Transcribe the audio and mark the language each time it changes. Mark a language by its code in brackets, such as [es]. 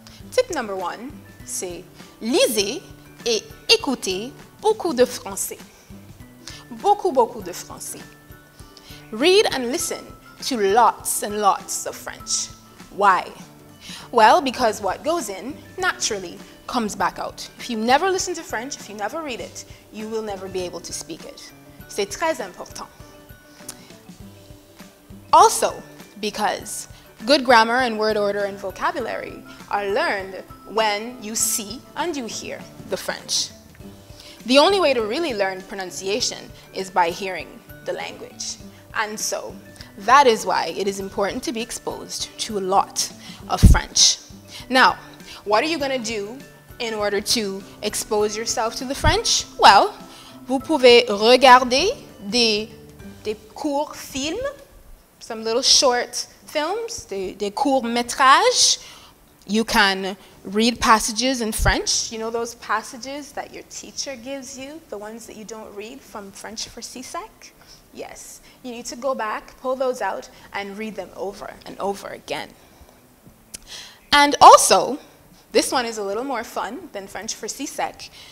[en] Tip number 1, [fr] c'est lisez et écoutez beaucoup de français. Beaucoup, beaucoup de français. [en] Read and listen to lots and lots of French. Why? Well, because what goes in naturally comes back out. If you never listen to French, if you never read it, you will never be able to speak it. [fr] C'est très important. [en] Also, because good grammar and word order and vocabulary are learned when you see and you hear the French. The only way to really learn pronunciation is by hearing the language. And so, that is why it is important to be exposed to a lot of French. Now, what are you going to do in order to expose yourself to the French? Well, [fr] vous pouvez regarder des courts films, [en] some little short films, [fr] des courts-métrages. [en] You can read passages in French. You know those passages that your teacher gives you, the ones that you don't read from French for CSEC? Yes. You need to go back, pull those out, and read them over and over again. And also, this one is a little more fun than French for CSEC.